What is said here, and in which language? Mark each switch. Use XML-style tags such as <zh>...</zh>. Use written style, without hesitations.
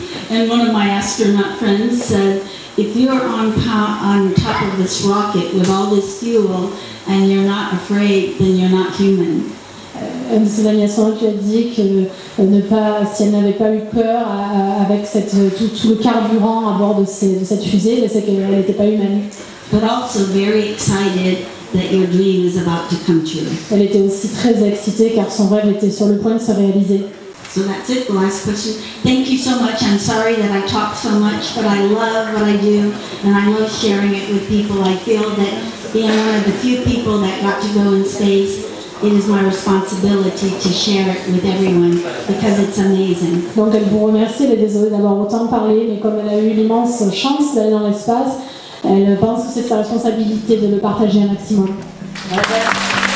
<en>And one of my astronaut friends said, if you're on top of this rocket with all this fuel and you're not afraid, then you're not human.</en> <fr>C'est la mienne qui a dit que ne pas, si elle n'avait pas eu peur avec tout le carburant à bord de cette fusée, c'est qu'elle n'était pas humaine.</fr> <en>But also very excited that your dream is about to come true.</en> <fr>Elle était aussi très excitée car son rêve était sur le point de se réaliser.</fr> <en>So that's it, the last question. Thank you so much. I'm sorry that I talk so much, but I love what I do, and I love sharing it with people. I feel that being one of the few people that got to go in space, it is my responsibility to share it with everyone, because it's amazing.</en> <fr>Donc elle vous remercie, elle est désolée d'avoir autant parlé, mais comme elle a eu l'immense chance d'aller dans l'espace, elle pense que c'est sa responsabilité de le partager un maximum. Merci.</fr>